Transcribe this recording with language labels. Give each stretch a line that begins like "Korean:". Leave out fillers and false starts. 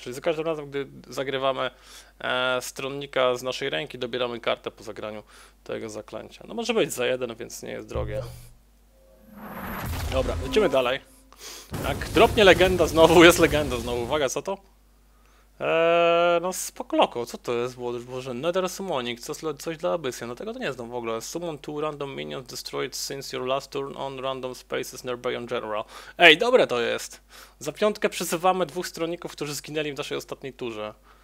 Polish: Czyli za każdym razem, gdy zagrywamy stronnika z naszej ręki, dobieramy kartę po zagraniu tego zaklęcia. No może być za jeden, więc nie jest drogie. Dobra, lecimy dalej. Tak, dropnie legenda znowu, jest legenda znowu. Uwaga, co to? No spokloko, co to jest? Boże, Nether Summoning, coś dla Abyssian, no tego to nie znam w ogóle.
English: Summon two random minions destroyed since your last turn on random spaces nearby on general.
Polish: Ej, dobre to jest! Za piątkę przyzywamy dwóch stronników, którzy zginęli w naszej ostatniej turze.